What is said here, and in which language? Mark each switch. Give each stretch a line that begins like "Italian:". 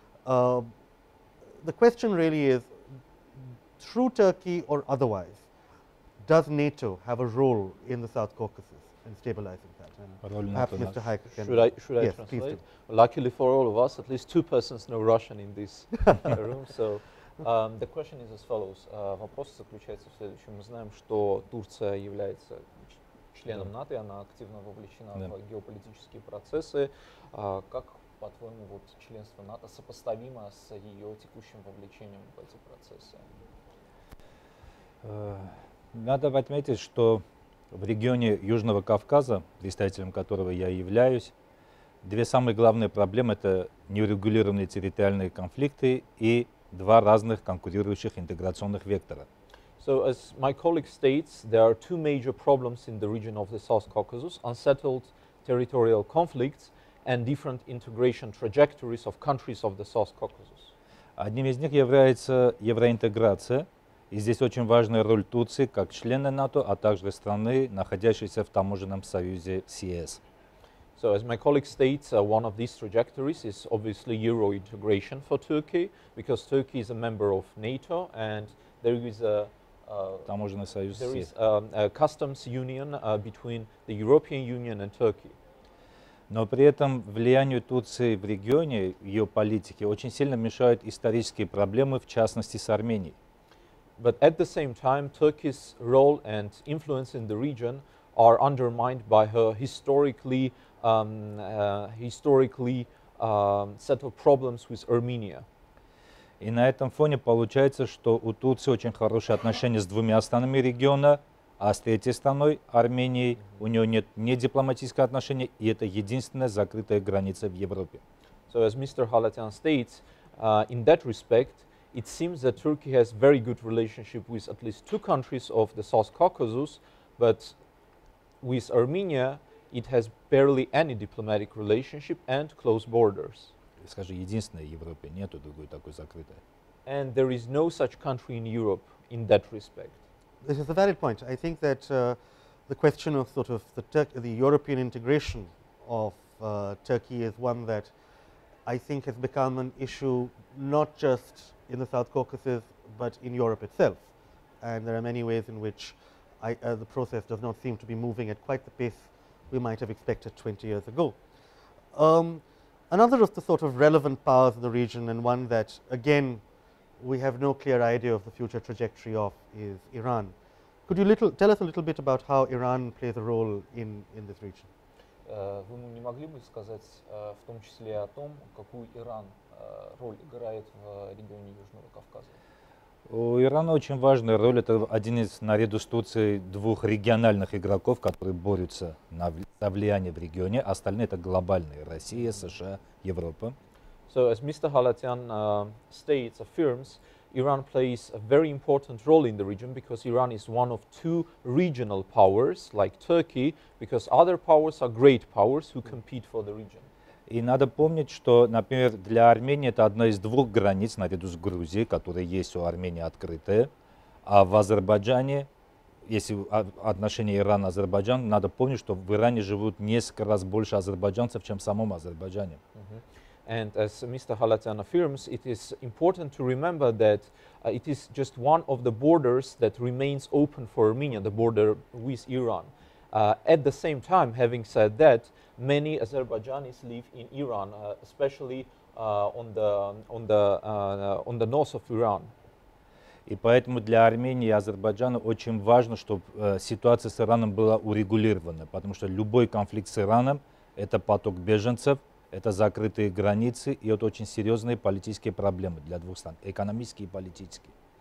English: The question really is, through Turkey or otherwise, does NATO have a role in the South Caucasus in stabilizing that? Should I yes, translate? Well, luckily for all of us, at least two persons know Russian in this room. So the question is as follows.
Russian: Вопрос заключается в следующем. Мы знаем, что Турция является членом НАТО, и она активно вовлечена в геополитические процессы. Как, по-твоему, вот членство НАТО сопоставимо с ее текущим вовлечением в эти процессы? Надо отметить, что в регионе Южного Кавказа, представителем которого я являюсь, две самые главные проблемы – это неурегулированные территориальные конфликты и два разных конкурирующих интеграционных вектора.
English: So, as my colleague states, there are two major problems in the region of the South Caucasus: unsettled territorial conflicts and different integration trajectories of countries of the South Caucasus.
Russian: Одним из них является евроинтеграция. И здесь очень важная роль Турции как члена НАТО, а также страны, находящейся в таможенном союзе CIS.
English: So, as my colleague states, one of these trajectories is obviously euro integration for Turkey, because Turkey is a member of NATO and there is a
Russian: таможенный союз.
English: There is a customs union between the European Union and Turkey.
Russian: Но при этом влиянию Турции в регионе, ее политике, очень сильно мешают исторические проблемы, в частности с Арменией.
English: But at the same time, Turkey's role and influence in the region are undermined by her set of problems with Armenia.
Russian: И на этом фоне получается, что у Турции очень хорошие отношения с двумя странами региона, а с третьей страной, Арменией, у нее нет ни дипломатического отношения, и это единственная закрытая граница в Европе.
English: So as Mr. Khalatyan states, in that respect, it seems that Turkey has very good relationship with at least two countries of the South Caucasus, but with Armenia, it has barely any diplomatic relationship and close borders.
Russian: Скажи, единственная в Европе, нету другой такой закрытой.
English: And there is no such country in Europe in that respect. This is a valid point. I think that the question of sort of the European integration of Turkey is one that I think has become an issue not just in the South Caucasus, but in Europe itself. And there are many ways in which the process does not seem to be moving at quite the pace we might have expected 20 years ago. Another of the sort of relevant powers in the region, and one that, again, we have no clear idea of the future trajectory of, is Iran. Could you tell us a little bit about how Iran plays a role in this region?
Russian: Вы не могли бы сказать в том числе о том, какую Иран роль играет в регионе Южного Кавказа? У Ирана очень важная роль. Это один из, наряду с Турцией, двух региональных игроков, которые борются за влияние в регионе. Остальные – это глобальные – Россия, США, Европа.
English: So, as Mr. Khalatyan states, affirms, Iran plays a very important role in the region because Iran is one of two regional powers, like Turkey, because other powers are great powers who compete for the region.
Russian: И надо помнить, что, например, для Армении это одна из двух границ наряду с Грузией, которые есть у Армении открытые. А в Азербайджане, если отношение Иран-Азербайджан, надо помнить, что в Иране живут несколько раз больше азербайджанцев, чем в самом Азербайджане.
English: And as Mr. Khalatyan affirms, it is important to remember that it is just one of the borders that remains open for Armenia, the border with Iran. At the same time, having said that, many Azerbaijanis live in Iran, especially on the north of Iran.
Russian: И поэтому для Армении и Азербайджана очень важно, чтобы ситуация с Ираном была урегулирована, потому что любой конфликт с Ираном – это поток беженцев, это закрытые границы и это очень серьезные политические проблемы для двух стран, экономические и политические.